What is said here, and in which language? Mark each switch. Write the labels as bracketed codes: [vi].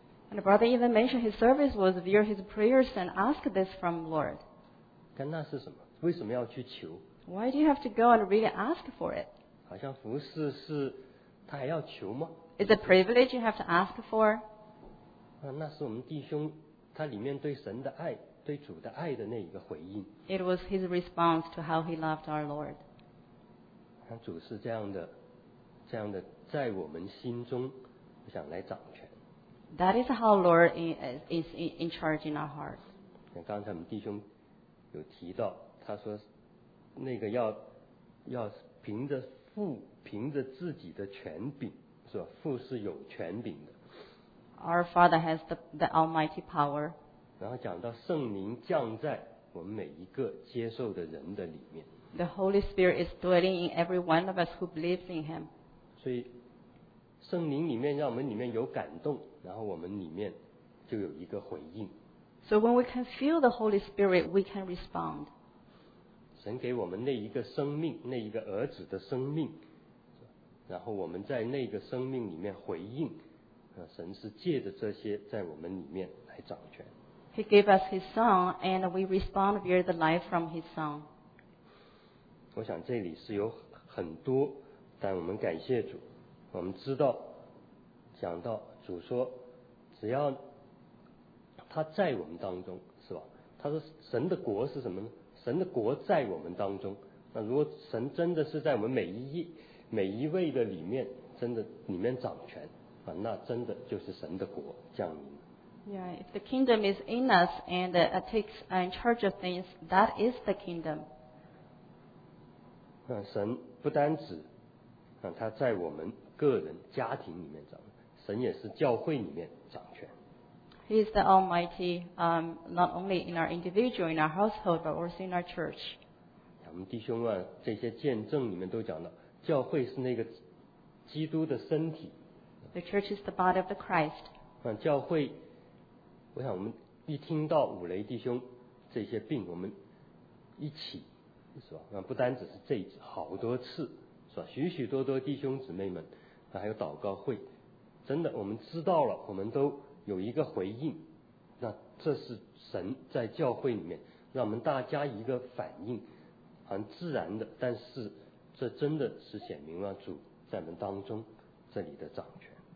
[en] And the brother even mentioned his service was via his prayers and ask this from Lord. [zh] 但那是什么？为什么要去求 [en] ？Why do you have to go and really ask for it？ [zh] 好像服事是他还要求吗 [en] ？Is a privilege you have to ask for？ [zh] 那是我们弟兄他里面对神的爱、对主的爱的那一个回应。 [en] It was his response to how he loved our Lord. [zh] 主是这样的在我们心中想来掌权。 [en] That is how Lord is in charge in our hearts. [zh] 像刚才我们弟兄有提到，他说那个要凭着父，凭着自己的权柄，是吧？父是有权柄的。 [en] Our Father has the almighty power. [zh] 然后讲到圣灵降在我们每一个接受的人的里面。 [en] The Holy Spirit is dwelling in every one of us who believes in Him. [zh] 所以圣灵里面让我们里面有感动，然后我们里面就有一个回应。 [en] So when we can feel the Holy Spirit, we can respond. [zh] 神给我们那一个生命，那一个儿子的生命，然后我们在那个生命里面回应，神是借着这些在我们里面来掌权。 [en] He gave us His Son, and we respond via the life from His Son. [zh] 我想这里是有很多，但我们感谢主。我们知道讲到主说只要他在我们当中，是吧？他说神的国是什么呢？神的国在我们当中，那如果神真的是在我们每一位的里面，真的里面掌权啊，那真的就是神的国降临。 [en] Yeah, if the kingdom is in us and takes in charge of things, that is the kingdom. [zh] 那神不单止啊，他在我们个人家庭里面掌权，神也是教会里面掌权。 [en] He is the Almighty, not only in our individual, in our household, but also in our church. [zh] 我们弟兄啊，这些见证里面都讲到，教会是那个基督的身体。 [en] The church is the body of the Christ. [zh] 教会，我想我们一听到五雷弟兄这些病，我们一起是吧？那不单只是这一次，好多次是吧？许许多多弟兄姊妹们，还有祷告会，真的我们知道了，我们都有一个回应，那这是神在教会里面让我们大家一个反应，很自然的，但是这真的是显明了主在我们当中这里的掌权。